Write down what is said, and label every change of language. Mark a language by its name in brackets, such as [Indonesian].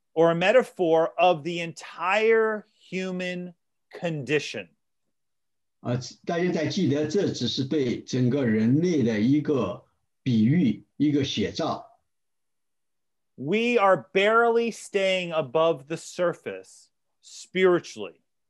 [English] Or a metaphor of the entire human condition. [Chinese] 大家在记得,这只是对整个人类的一个比喻,一个写照。 [English] We are barely staying above the surface spiritually.